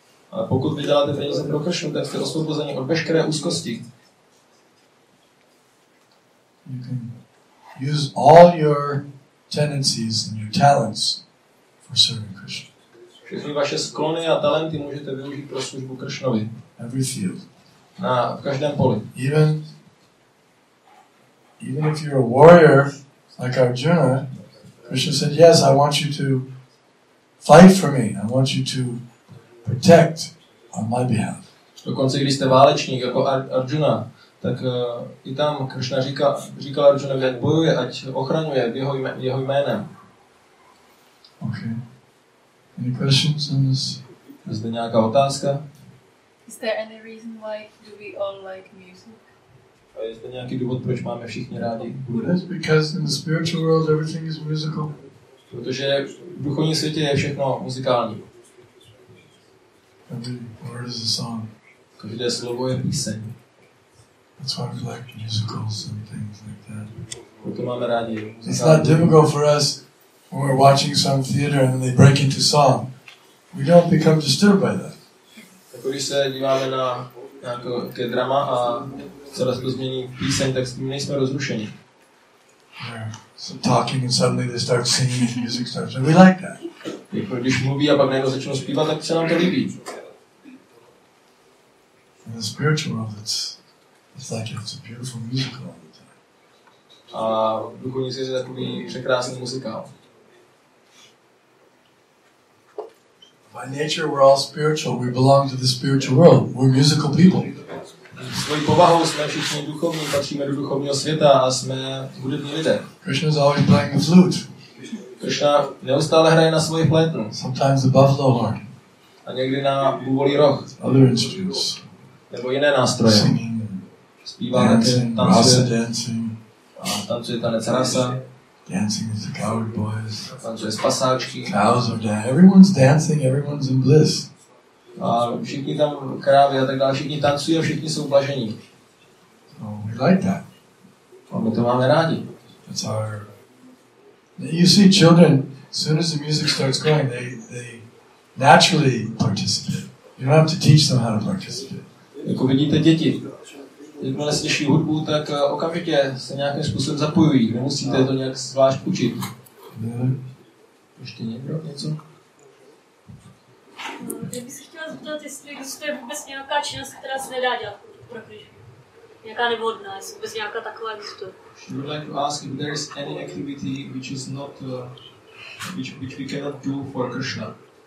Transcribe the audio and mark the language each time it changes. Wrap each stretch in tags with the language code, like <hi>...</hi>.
<cs>A pokud vyděláte peníze pro Krishnu, tak jste osvobozeni od veškeré úzkosti.</cs> <en>You can use all your tendencies and your talents for serving Krishna.</en> <cs>Všechny vaše sklony a talenty můžete využít pro službu Krishnovi.</cs> <en>Every field.</en> <cs>na v každém poli.</cs> <en>Even if you're a warrior like Arjuna, Krishna said, "Yes, I want you to fight for me. I want you to protect on my behalf."</en> <cs>Dokonce když jste válečník jako Arjuna, tak i tam Krishna říkal Arjuna, ať bojuje, ať ochraňuje jeho jménem.</cs> <en>Okay. Any questions on this?</en> <cs>Je zde nějaká otázka?</cs> <en>Is there any reason why do we all like music?</en> <cs>A je zde nějaký důvod, proč máme všichni rádi?</cs> <en>Yes, because in the spiritual world everything is musical.</en> <cs>Protože v duchovním světě je všechno muzikální.</cs> <en>Every word is a song.</en> <cs>Každé slovo je píseň.</cs> <en>That's why we like musicals and things like that.</en> <cs>Proto máme rádi muzikální.</cs> <en>It's not difficult for us when we're watching some theater and they break into song. We don't become disturbed by that.</en> <cs>Jako když se díváme na nějaké drama a celé se to změní píseň, tak s tím nejsme rozrušeni.</cs> <en>Some talking and suddenly they start singing and music starts and we like that.</en> <cs>Jako když mluví a pak někdo začne zpívat, tak se nám to líbí.</cs> <en>In the spiritual world, it's like it's a beautiful musical all the time.</en> <cs>A v duchovní světě je takový překrásný muzikál.</cs> <en>By nature we're all spiritual. We belong to the spiritual world. We're musical people.</en> <cs>Svojí povahou jsme všichni duchovní, patříme do duchovního světa a jsme hudební lidé.</cs> <en>Krishna is always playing the flute.</en> <cs>Krishna neustále hraje na svoji flétnu.</cs> <en>Sometimes the buffalo horn.</en> <cs>A někdy na bubolí roh.</cs> <en>Other instruments.</en> <cs>Nebo jiné nástroje.</cs> <en>Singing.</en> <cs>Zpívá také, tancuje.</cs> <en>Rasa dancing.</en> <cs>A tancuje tanec rasa.</cs> <en>Dancing with the coward boys.</en> <cs>Tancuje s pasáčky.</cs> <en>Cows are dancing. Everyone's dancing, everyone's in bliss.</en> <cs>A všichni tam krávy a tak dále, všichni tancují a všichni jsou blažení.</cs> <en>So we like that.</en> <cs>A my to máme rádi.</cs> <en>That's our... You see children, as soon as the music starts going, they naturally participate. You don't have to teach them how to participate.</en> <cs>Jako vidíte děti, jakmile slyší hudbu, tak okamžitě se nějakým způsobem zapojují. Nemusíte to nějak zvlášť učit. Ještě někdo něco? Já bych se chtěla zeptat, jestli existuje vůbec nějaká činnost, která se nedá dělat pro Krishnu. Nějaká nevhodná, jestli vůbec nějaká taková existuje.</cs> <en>Would like to ask if there is any activity which is not which we cannot do for Krishna.</en>